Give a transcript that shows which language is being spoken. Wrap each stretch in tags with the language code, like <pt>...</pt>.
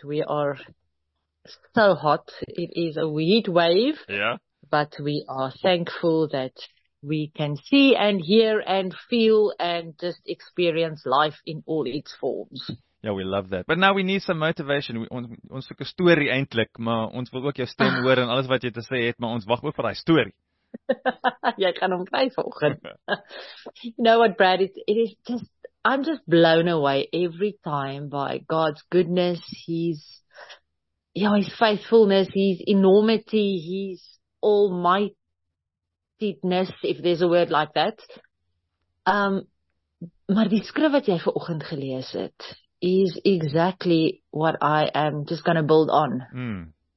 <en>We are so hot. It is a heat wave. Yeah. But we are thankful that we can see and hear and feel and just experience life in all its forms. Ja, we love that. But now we need some motivation.</en> <af>Ons soek 'n storie eintlik, maar ons wil ook jou stem hoor en alles wat jy te sê het, maar ons wag ook vir daai storie. Jy gaan hom kry vanoggend.</af> <en>You know what, Brad? I'm just blown away every time by God's goodness, his faithfulness, his enormity, his almightiness, if there's a word like that.</en> <af>Maar die skrif wat jy vanoggend gelees het, is</af> <en>exactly what I am just going to build on.</en>